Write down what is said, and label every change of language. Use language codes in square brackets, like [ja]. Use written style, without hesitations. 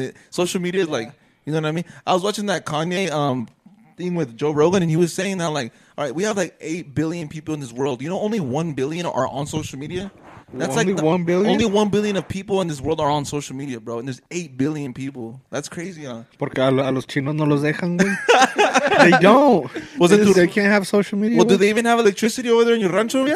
[en] It social media is like. You know what I mean? I was watching that Kanye thing with Joe Rogan, and he was saying that, like, all right, we have, like, 8 billion people in this world. You know only 1 billion are on social media? That's only like 1 billion? Only 1 billion of people in this world are on social media, bro. And there's 8 billion people. That's crazy, huh? [es] Porque a los chinos no los dejan, güey. [en] They don't. They can't have social media? Well, do they even have electricity over there in your rancho, güey?